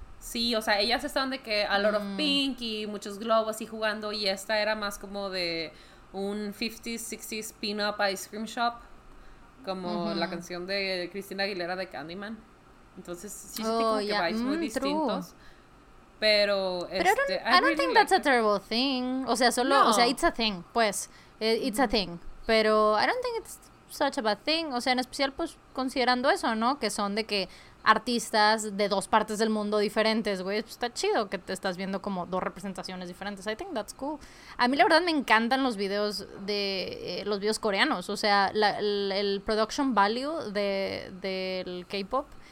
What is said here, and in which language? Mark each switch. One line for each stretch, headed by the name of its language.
Spanish: Sí, o sea, ellas estaban de que
English: a lot of pink
Spanish: y muchos globos y jugando. Y esta era más como de un 50s, 60s
English: pin-up ice cream shop.
Spanish: Como la canción de Christina Aguilera de Candyman. Entonces sí sentí como que vibes muy distintos. Pero
English: I don't think that's a terrible thing.
Spanish: O sea, solo, no. O sea,
English: it's a thing.
Spanish: Pues,
English: it's a thing.
Spanish: Pero
English: I don't think it's such a bad thing.
Spanish: O sea, en especial pues considerando eso, ¿no? Que son de que artistas de dos partes del mundo diferentes, güey. Pues, está chido que te estás viendo como dos representaciones diferentes.
English: I think that's cool.
Spanish: A mí la verdad me encantan los videos de los videos coreanos. O sea, el production value del K-pop.